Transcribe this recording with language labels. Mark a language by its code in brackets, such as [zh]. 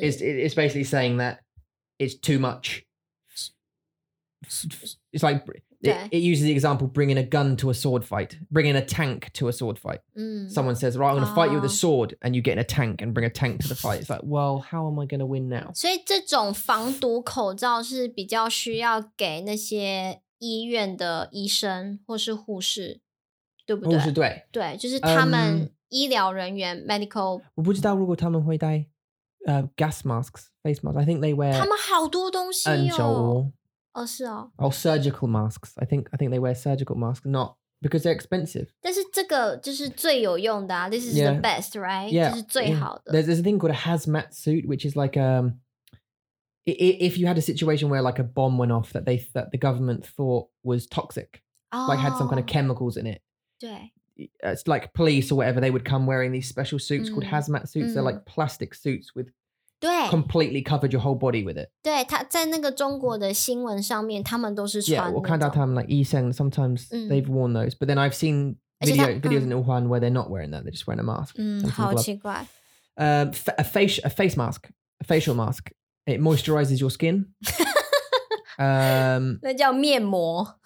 [en] It's basically saying that it's too much. It's like. It uses the example bringing a gun to a sword fight, bringing a tank to a sword fight. Someone says, right, I'm going to fight you with a sword, and you get in a tank and bring a tank to the fight. It's like, well, how am I going to win now? [zh] 所以这种防毒口罩是比较需要给那些医院的医生或是护士，对不对？护士对，对，就是他们医疗人员 medical. 我不知道如果他们会戴 [en] gas masks, face masks. I think they wear. [zh] 他们好多东西哦。N95 哦，是哦。哦， [en] surgical masks. I think they wear surgical masks, not because they're expensive. [zh] 但是这个就是最有用的啊。 [en] This is the best, right? Yeah. [zh] 就是最好的。 [en] There's a thing called a hazmat suit, which is like if you had a situation where like a bomb went off that the government thought was toxic, like had some kind of chemicals in it. [zh] 对。 [en] It's like police or whatever, they would come wearing these special suits called hazmat suits. They're like plastic suits with... [zh] 对 [en] completely covered your whole body with it. [zh] 对，他在那个中国的新闻上面，他们都是穿。 [en] Yeah, [zh] 我看到他们 [en] like 医生 sometimes they've worn those, but then I've seen videos in Wuhan where they're not wearing that; they're just wearing a mask. [zh] 好奇怪。 [en] A facial mask. It moisturizes your skin. [zh] 那叫面膜。